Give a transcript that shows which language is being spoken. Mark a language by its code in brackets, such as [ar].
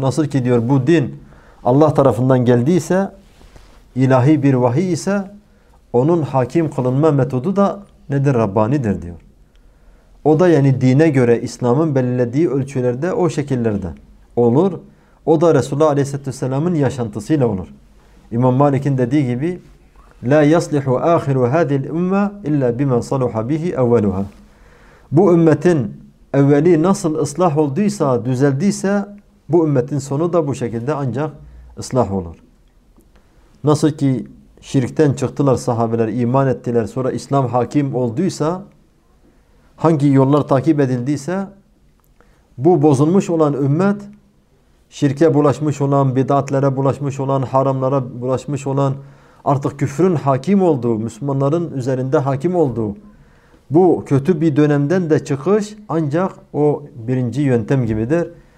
[tr] Nasıl ki diyor bu din Allah tarafından geldiyse, ilahi bir vahiy ise onun hakim kılınma metodu da nedir? Rabbani'dir diyor. O da yani dine göre İslam'ın belirlediği ölçülerde o şekillerde olur. O da Resulullah Aleyhisselatü Vesselam'ın yaşantısıyla olur. İmam Malik'in dediği gibi [ar] لَا يَصْلِحُ آخِرُ هَذِي الْاُمَّةِ اِلَّا بِمَنْ صَلُحَ بِهِ اَوَّلُهَا. [tr] Bu ümmetin evveli nasıl ıslah olduysa, düzeldiyse bu ümmetin sonu da bu şekilde ancak ıslah olur. Nasıl ki şirkten çıktılar sahabeler, iman ettiler. Sonra İslam hakim olduysa, hangi yollar takip edildiyse, bu bozulmuş olan ümmet, şirke bulaşmış olan, bid'atlere bulaşmış olan, haramlara bulaşmış olan, artık küfrün hakim olduğu, Müslümanların üzerinde hakim olduğu, bu kötü bir dönemden de çıkış ancak o birinci yöntem gibidir.